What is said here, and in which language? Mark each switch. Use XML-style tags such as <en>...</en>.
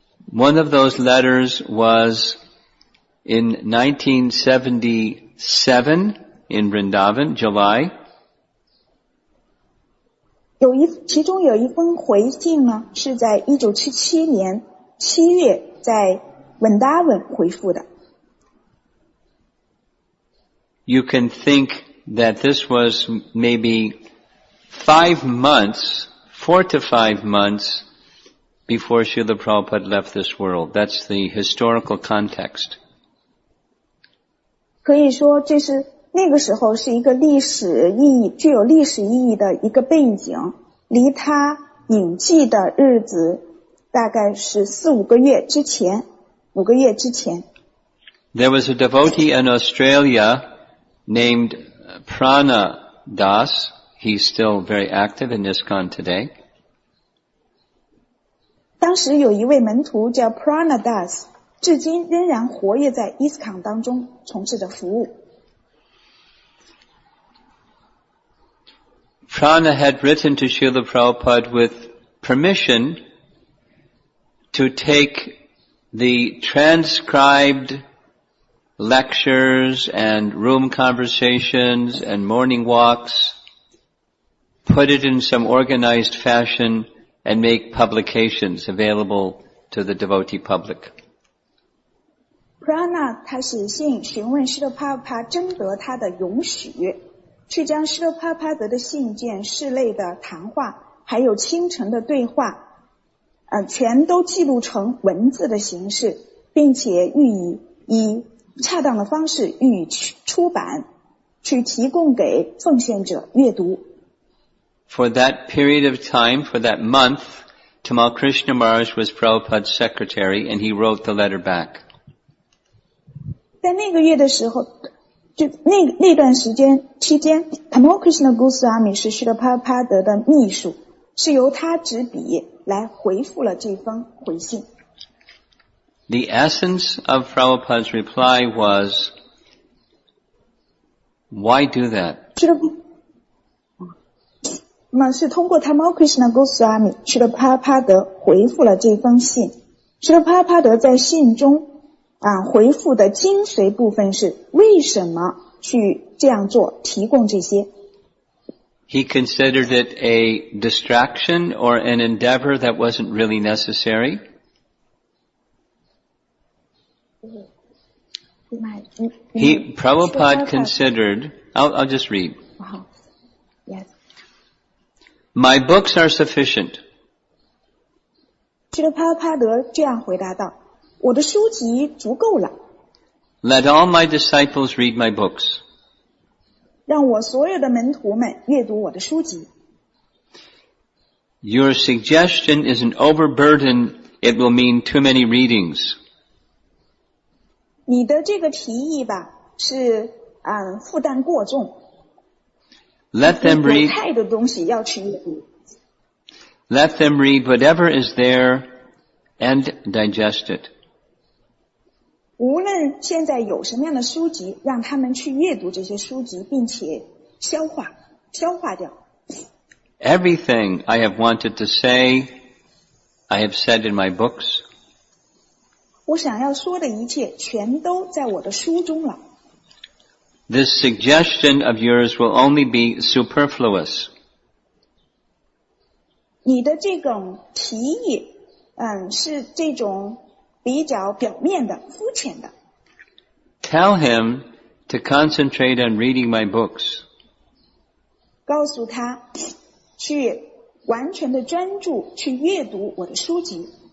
<en>One of those letters was in 1977 in Vrindavan, July.</en> <zh>其中有一封回信呢，是在1977年7月在 Vrindavan 回复的。</zh> <en>You can think that this was maybe 5 months, 4 to 5 months before Srila Prabhupada left this world. That's the historical context.</en> <zh>可以说这是那个时候是一个历史意义具有历史意义的一个背景，离他隐迹的日子大概是五个月之前。</zh> <en>There was a devotee in Australia named Prana Das. He's still very active in ISKCON today.</en> <zh>当时有一位门徒叫 Prana Das，至今仍然活跃在 ISKCON 当中从事的服务。</zh> <en>Prana had written to Srila Prabhupada with permission to take the transcribed lectures and room conversations and morning walks, put it in some organized fashion and make publications available to the devotee public.</en> <zh>Prana 他写信询问施乐帕帕征得他的允许，去将施乐帕帕德的信件、室内的谈话还有清晨的对话全都记录成文字的形式，并且予以以恰当的方式予以出版，去提供给奉献者阅读。</zh> <en>For that period of time, for that month, Tamal Krishna Maharaj was Prabhupada's secretary and he wrote the letter back.</en> <zh>在那个月的时候，就 那段时间期间 Tamal Krishna Goswami 是释迦帕帕德的秘书，是由他执笔来回复了这封回信。</zh> <en>The essence of Prabhupada's reply was why do that?</en> <zh>是通过 Tamal Krishna Goswami 释迦帕帕德回复了这封信。释迦帕帕德在信中回复的精髓部分是为什么去这样做，提供这些。</zh> <en>He considered it a distraction or an endeavor that wasn't really necessary. Prabhupada considered, I'll just read. My books are sufficient.</en> <zh>这个帕帕德这样回答道，我的书籍足够了。</zh> <en>Let all my disciples read my books.</en> <zh>让我所有的门徒们阅读我的书籍。</zh> <en>Your suggestion is an overburden. It will mean too many readings.</en> <zh>你的这个提议吧，是负担过重。</zh> <en>Let them read.</en> <zh>太多东西要去阅读。</zh> <en>Let them read whatever is there and digest it.</en> <zh>无论现在有什么样的书籍，让他们去阅读这些书籍，并且消化掉。</zh> <en>Everything I have wanted to say, I have said in my books.</en> <zh>我想要说的一切全都在我的书中了。</zh> <en>This suggestion of yours will only be superfluous.</en> <zh>你的这种提议是这种比较表面的、肤浅的。</zh> <en>Tell him to concentrate on reading my books.</en> <zh>告诉他去完全的专注去阅读我的书籍。</zh>